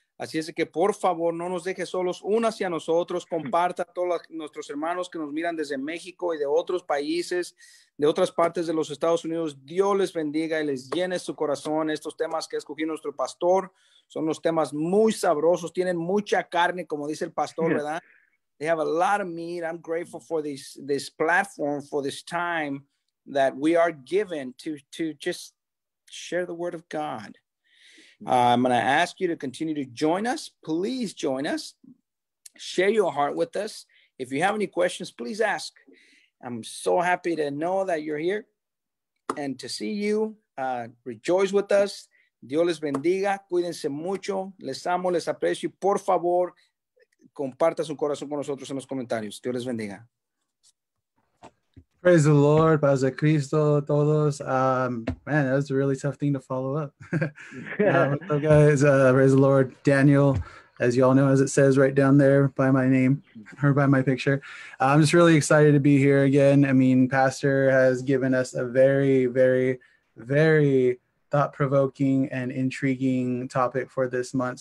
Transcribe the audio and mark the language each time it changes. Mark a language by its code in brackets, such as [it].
[es] Así es que, por favor, no nos deje solos, únase a nosotros, comparta a todos nuestros hermanos que nos miran desde México y de otros países, de otras partes de los Estados Unidos. Dios les bendiga y les llene su corazón. Estos temas que escogió nuestro pastor son unos temas muy sabrosos, tienen mucha carne, como dice el pastor, ¿verdad? [en] They have a lot of meat. I'm grateful for this platform, for this time that we are given to just share the word of God. I'm going to ask you to continue to join us. Please join us. Share your heart with us. If you have any questions, please ask. I'm so happy to know that you're here and to see you. Rejoice with us. [es] Dios les bendiga. Cuídense mucho. Les amo. Les aprecio. Por favor, comparta su corazón con nosotros en los comentarios. Dios les bendiga. [en] Praise the Lord, [es] paz de Cristo, todos. [en] Man, that was a really tough thing to follow up. What's up, guys? Praise the Lord, Daniel, as you all know, as it says right down there by my name or by my picture. I'm just really excited to be here again. I mean, Pastor has given us a very, very, very thought-provoking and intriguing topic for this month.